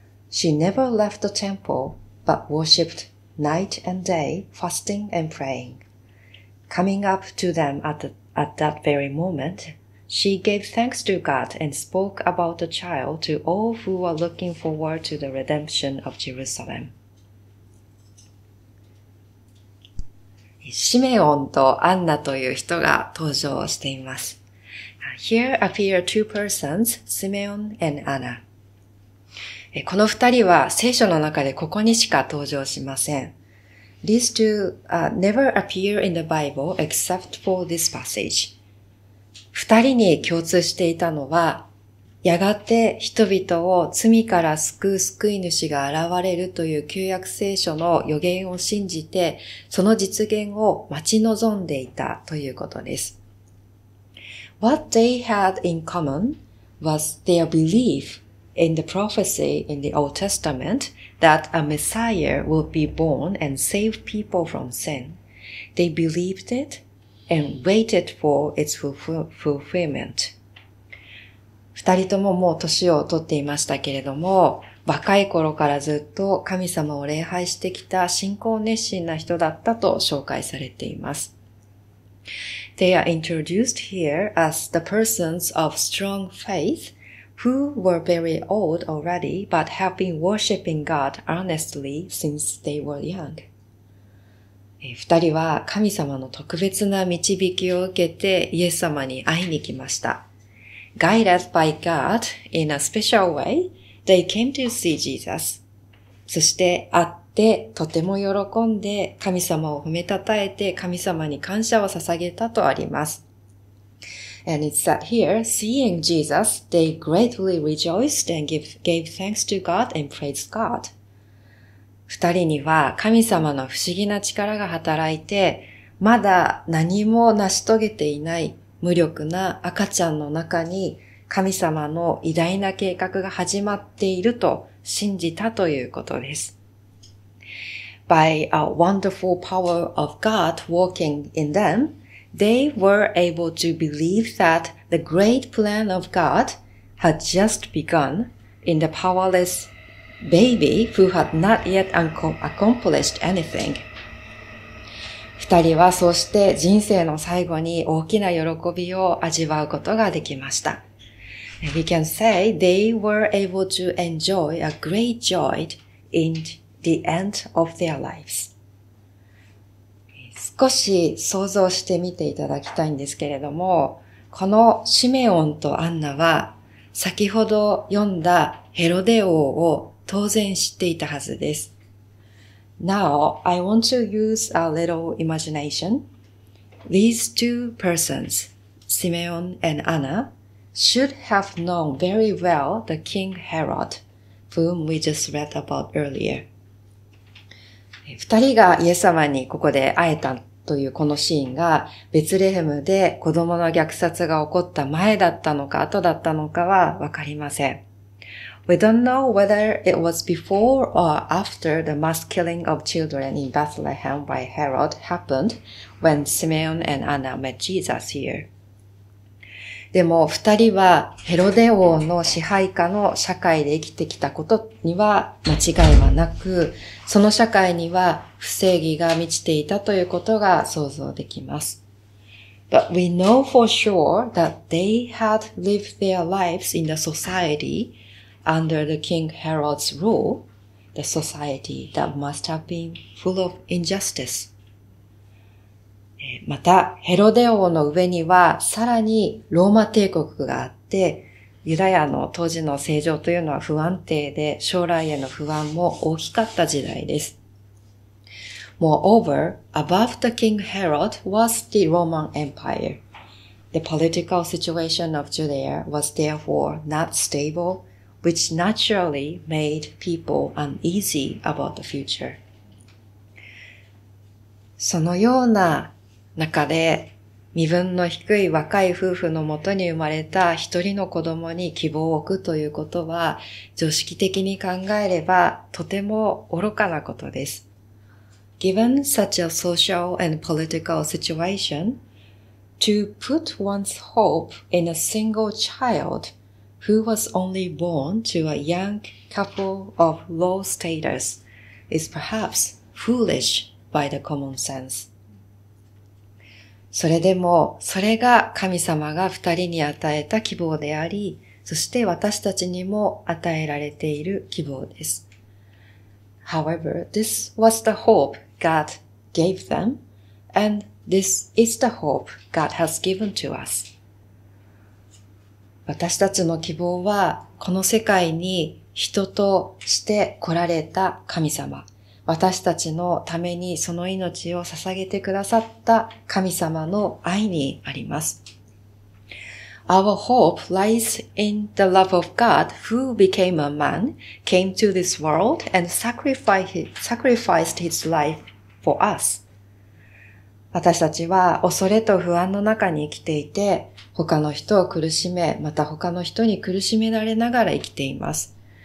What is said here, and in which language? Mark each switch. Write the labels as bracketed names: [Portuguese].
[English] She never left the temple, but worshipped night and day, fasting and praying. Coming up to them at that very moment, she gave thanks to God and spoke about the child to all who were looking forward to the redemption of Jerusalem. [Japanese] シメオンとアンナという人が登場しています。 [English] Here appear two persons, Simeon and Anna. [Japanese] この二人は聖書の中でここにしか登場しません。 [English] These two, never appear in the Bible except for this passage. [Japanese] 二人に共通していたのは、やがて人々を罪から救う救い主が現れるという旧約聖書の予言を信じて、その実現を待ち望んでいたということです。 [English] What they had in common was their belief in the prophecy in the Old Testament that a Messiah would be born and save people from sin. They believed it and waited for its fulfillment. [Japanese] 二人とももう年を取っていましたけれども、若い頃からずっと神様を礼拝してきた信仰熱心な人だったと紹介されています。 [English] They are introduced here as the persons of strong faith who were very old already but have been worshipping God earnestly since they were young. [Japanese] 二人は神様の特別な導きを受けてイエス様に会いに来ました。 [English] Guided by God in a special way, they came to see Jesus. [Japanese] そして会ってとても喜んで神様を褒めたたえて神様に感謝を捧げたとあります。 [English] And it's that here, seeing Jesus, they greatly rejoiced and gave thanks to God and praised God. [Japanese] 二人には神様の不思議な力が働いて、まだ何も成し遂げていない無力な赤ちゃんの中に神様の偉大な計画が始まっていると信じたということです。 [English] By a wonderful power of God working in them, they were able to believe that the great plan of God had just begun in the powerless baby who had not yet accomplished anything. [Japanese] 二人はそうして人生の最後に大きな喜びを味わうことができました。 [English] We can say they were able to enjoy a great joy in the end of their lives. [Japanese] 少し想像してみていただきたいんですけれども、このシメオンとアンナは先ほど読んだヘロデ王を当然知っていたはずです。 [English] Now, I want to use a little imagination. These two persons, Simeon and Anna, should have known very well the King Herod, whom we just read about earlier. [Japanese] 二人がイエス様にここで会えたというこのシーンが、ベツレヘムで子供の虐殺が起こった前だったのか後だったのかはわかりません。 [English] We don't know whether it was before or after the mass killing of children in Bethlehem by Herod happened when Simeon and Anna met Jesus here. [Japanese] でも二人はヘロデ王の支配下の社会で生きてきたことには間違いはなく、その社会には不正義が満ちていたということが想像できます。 [English] But we know for sure that they had lived their lives in the societyunder the King Herod's rule, the society that must have been full of injustice. [Japanese] また、ヘロデ王の上には、さらにローマ帝国があって、ユダヤの当時の政情というのは不安定で、将来への不安も大きかった時代です。 [English] Moreover, above the King Herod was the Roman Empire. The political situation of Judea was therefore not stable,which naturally made people uneasy about the future. [Japanese] そのような中で、身分の低い若い夫婦のもとに生まれた一人の子供に希望を置くということは、常識的に考えればとても愚かなことです。 [English] Given such a social and political situation, to put one's hope in a single childwho was only born to a young couple of low status is perhaps foolish by the common sense. [Japanese] それでもそれが神様が二人に与えた希望であり、そして私たちにも与えられている希望です。 [English] However, this was the hope God gave them, and this is the hope God has given to us. [Japanese] 私たちの希望は、この世界に人として来られた神様、私たちのためにその命を捧げてくださった神様の愛にあります。 [English] Our hope lies in the love of God who became a man, came to this world and sacrificed his life for us. [Japanese] 私たちは恐れと不安の中に生きていて、他の人を苦しめ、また他の人に苦しめられながら生きています。